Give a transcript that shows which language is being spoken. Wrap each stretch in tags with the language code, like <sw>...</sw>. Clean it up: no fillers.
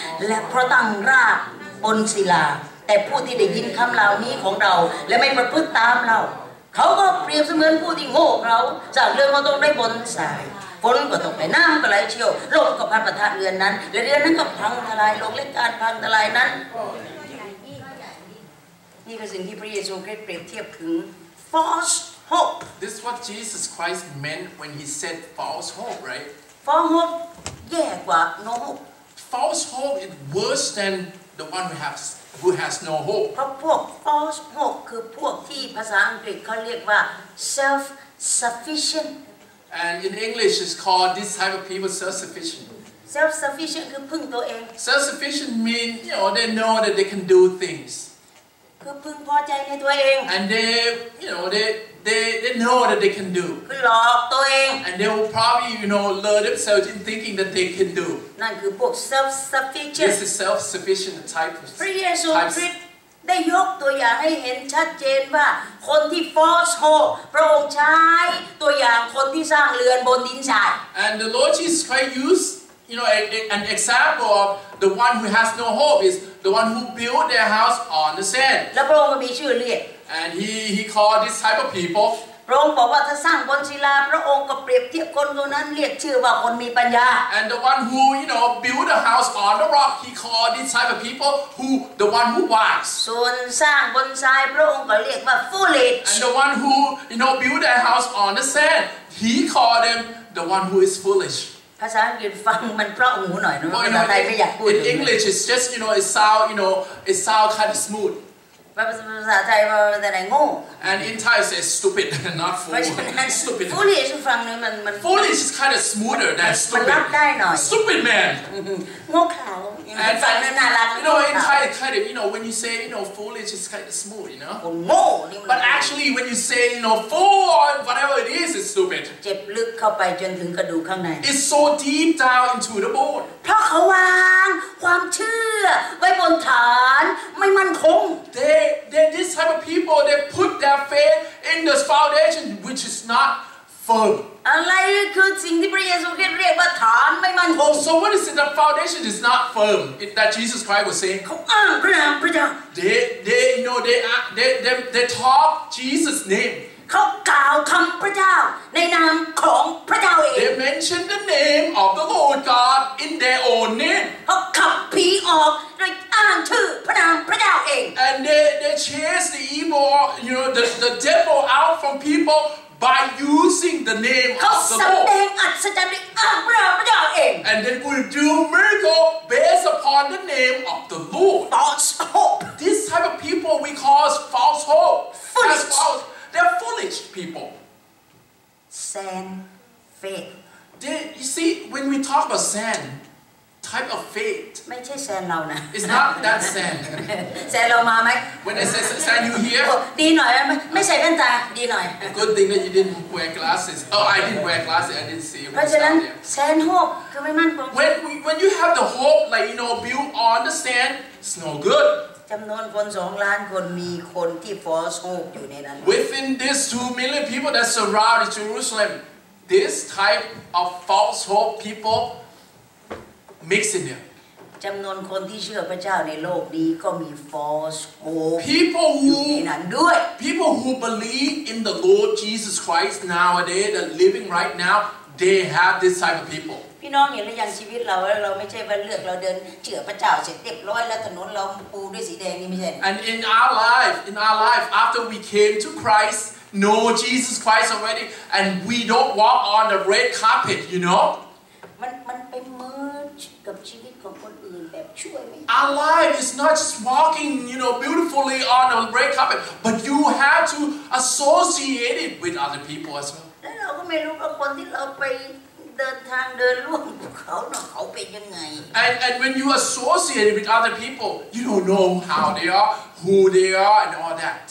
<th>และเพราะตั้งรากบนศิลาแต่ผู้ที่ได้ยินคำเหล่านี้ของเราและไม่ประพฤติตามเราเขาก็เปรียบเสมือนผู้ที่โง่เขลาจากเรือนของตนได้บนทรายฝนก็ตกและน้ำก็ไหลเชี่ยวลมก็พัดประทับเรือนั้นและเรือนั้นก็พังทลายลงและการพังทลายนั้นนี่คือสิ่งที่พระเยซูคริสต์เปรียบเทียบถึง falseHope.</th> <en>This is what Jesus Christ meant when he said false hope, right? False hope, yeah, but no hope. False hope is worse than the one who has no hope. Because false hope</en> <th>คือพวกที่ภาษาอังกฤษเขาเรียกว่า self-sufficient.</th> <en>And in English, it's called this type of people self-sufficient.</en> <th>Self-sufficient คือพึ่งตัวเอง</th> <en>Self-sufficient mean you know they know that they can do things.</en> <th>คือพึ่งพอใจในตัวเอง</th> <en>And they you know they know that they can do</en> <th>คือหลอกตัวเอง</th> <en>and they will probably you know lure themselves in thinking that they can do</en> <th>นั่นคือพวก self sufficient</th> <en>this is self sufficient type</en> <th>พระเยซูคริสต์ได้ยกตัวอย่างให้เห็นชัดเจนว่าคนที่ false hope พระองค์ใช้ตัวอย่างคนที่สร้างเรือนบนดินทราย</th> <en>and the Lord Jesus Christ used you know an example of the one who has no hope is the one who built their house on the sand</en> <th>แล้วพระองค์ก็มีชื่อเรียก</th> <en>And he called this type of people.</en> <th>พระองค์บอกว่าถ้าสร้างบนศิลาพระองค์ก็เปรียบเทียบคนคนนั้นเรียกชื่อว่าคนมีปัญญา</th> <en>And the one who you know build a house on the rock, he called this type of people who the one who wise.</en> <th>ส่วนสร้างบนทรายพระองค์ก็เรียกว่า foolish.</th> <en>And the one who you know build a house on the sand, he called them the one who is foolish.</en> <th>ภาษาอังกฤษฟังมันเพราะหูหน่อยนะภาษาไทยไม่อยากพูด</th> <en>In English, it's just you know it sounds kind of smooth</en> <th>ภาษาไทยว่าแต่ไหนโง่</th> <en>and in Thai it says stupid not fool stupid</en> <th>foolish ฟังนี่มัน</th> <en>foolish is kind of smoother than stupid</en> <th>มันรับได้หน่อย</th> <en>stupid man</en> <th>โง่เขลาฟังนี่น่ารัก</th> <en>นะ you know in Thai kind of you know when you say you know foolish is kind of smooth you know</en> <th>โง่</th> <en>but actually when you say you know fool or whatever it is it's stupid</en> <th>เจ็บลึกเข้าไปจนถึงกระดูกข้างใน</th> <en>it's so deep down into the bone</en> <th>เพราะเขาวางความเชื่อไว้บนฐานไม่มั่นคง</th> <en>They're this type of people. They put their faith in this foundation, which is not firm.</en> <th>อะไรคือสิ่งที่พระเยซูคริสต์เรียกว่าฐานไม่มั่นคง</th> <en>So what is it? The foundation is not firm. That Jesus Christ was saying.</en> <th>เขาอ้างพระนามพระเจ้า</th> <en>They you know they talk Jesus' name.</en> <th>เขากล่าวคำพระเจ้าในนามของพระเจ้าเอง</th> <en>They mention the name of the Lord God in their own name.</en> <th>เขาขับผีออกด้วยอ้างชื่อพระนามพระเจ้าเอง</th> <en>And they chase the evil, you know, the devil out from people by using the name of the Lord.</en> <th>เขาแสดงอัศจรรย์ด้วยอ้างพระนามพระเจ้าเอง</th> <en>And they will do miracle based upon the name of the Lord. False hope. This type of people we call false hope. Foolish. They're foolish people. Sand, faith. You see, when we talk about sand, type of faith.</en> <th>ไม่ใช่แซนเรานะ</th> <en>It's not that Sam.</en> <th>แซนเรามาไหม</th> <en>When I say Sam, you here?</en> <th>ดีหน่อยไม่ใส่แว่นตาดีหน่อย</th> <en>Good thing that you didn't wear glasses. Oh, I didn't wear glasses. I didn't see.</en> <th>เพราะฉะนั้นแซนหกคือไม่มั่นคง</th> <en>When you have the hope, like you know, built on the sand, it's no good.</en> <th>จำนวนคน2ล้านคนมีคนที่ false hope อยู่ในนั้น</th> <en>Within this 2 million people that surround Jerusalem, this type of false hope people mix in there.</en> <th>จำนวนคนที่เชื่อพระเจ้าในโลกนี้ก็มี false hope</th> <en>people who,</en> <th>อยู่ในนั้นด้วย</th> <en>People who believe in the Lord Jesus Christ nowadays, that living right now, they have this type of people.</en> <th>พี่น้องเห็นหรือยังชีวิตเราเราไม่ใช่ว่าเลือกเราเดินเชื่อพระเจ้าเสร็จเรียบร้อยแล้วถนนเราปูด้วยสีแดงนี่ไม่ใช่</th> <en>And in our life after we came to Christ know Jesus Christ already and we don't walk on the red carpet you know</en> <th>มันไปมืดกับชีวิตของคนอื่นแบบช่วยไม่</th> <en>Our life is not just walking you know beautifully on a red carpet but you have to associate it with other people as well</en> <th>แล้วเราก็ไม่รู้ว่าคนที่เราไปเดินทางเดินร่วมเขาเนาะเขาเป็นยังไง</th> <en>and when you associate with other people you don't know how they are who they are and all that</en>